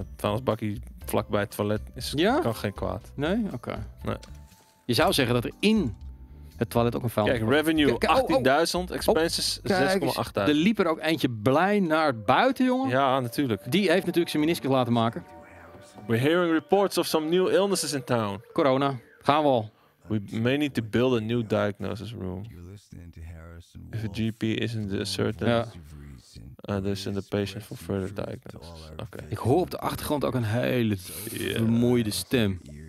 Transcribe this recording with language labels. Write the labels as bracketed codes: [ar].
[nl] Vuilnisbakkie vlakbij het toilet kan geen kwaad. Nee? Nee. Je zou zeggen dat er in het toilet ook een vuilnisbak. Kijk, [en] revenue 18.000, expenses 6.800. [nl] Er liep er ook eentje blij naar buiten, jongen. Ja, natuurlijk. Die heeft natuurlijk zijn meniscus laten maken. [en] We're hearing reports of some new illnesses in town. [nl] Corona. Gaan we al. [en] We may need to build a new diagnosis room. If a GP isn't certain, there's in the patient for further diagnosis. Okay. [nl] Ik hoor op de achtergrond ook een hele vermoeide stem.